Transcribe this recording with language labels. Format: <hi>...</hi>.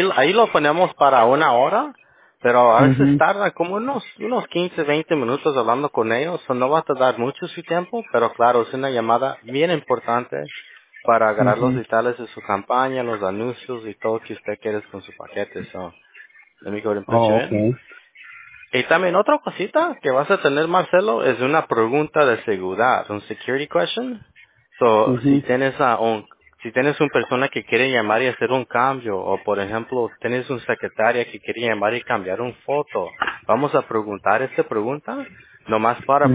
<es>Ahí lo ponemos para una hora, pero a veces uh-huh. tarda como unos 15, 20 minutos hablando con ellos. O no va a tardar mucho su tiempo, pero claro, es una llamada bien importante para agarrar uh-huh. los detalles de su campaña, los anuncios y todo que usted quiere con su paquete.</es> <en>So, let me go ahead and put you in.</en> <es>Y también otra cosita que vas a tener, Marcelo, es una pregunta de seguridad, un</es> <en>security question.</en> <es>So, uh-huh. Si tienes una persona que quiere llamar y hacer un cambio, o por ejemplo, tienes un secretaria que quiere llamar y cambiar una foto, vamos a preguntar esta pregunta, nomás para uh-huh.</es>